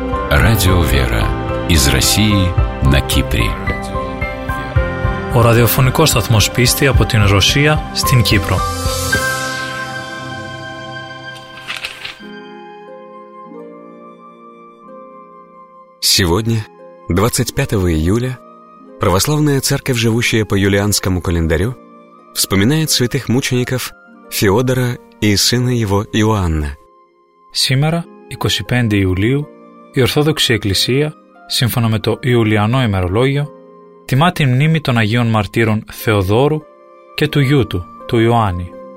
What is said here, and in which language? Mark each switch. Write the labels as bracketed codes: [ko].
[ru] Радио «Вера» из России на Кипре. [el] Ο ραδιοφωνικός σταθμός πίστη από την Ρωσία στην Κύπρο. [ru] Сегодня, 25 июля, православная церковь, живущая по юлианскому календарю, вспоминает святых мучеников Феодора и сына его Иоанна. Сегодня, 25 июля, [el] η Ορθόδοξη Εκκλησία, σύμφωνα με το Ιουλιανό ημερολόγιο, τιμά τη μνήμη των Αγίων Μαρτύρων Θεοδόρου και του γιού του, του Ιωάννη.